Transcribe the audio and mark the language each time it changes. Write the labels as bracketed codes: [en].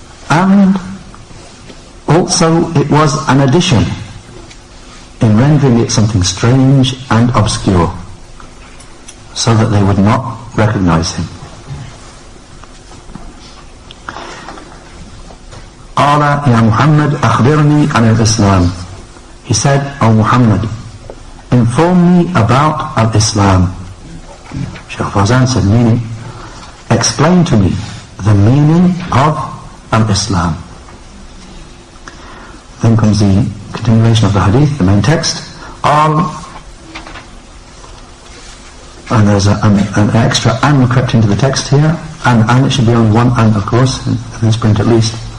[en] And also it was an addition in rendering it something strange and obscure, so that they would not recognize him. [ar] قَالَ يَا Muhammad, أَخْبِرْنِي عَنِ الْإِسْلَامِ. [en] He said, O Muhammad, inform me about al-Islam. Shaykh Farzan said, meaning, explain to me the meaning of al-Islam. Then comes the continuation of the hadith, the main text. قَالَ, and there's an extra an crept into the text here, and it should be on one an, of course, in this print at least.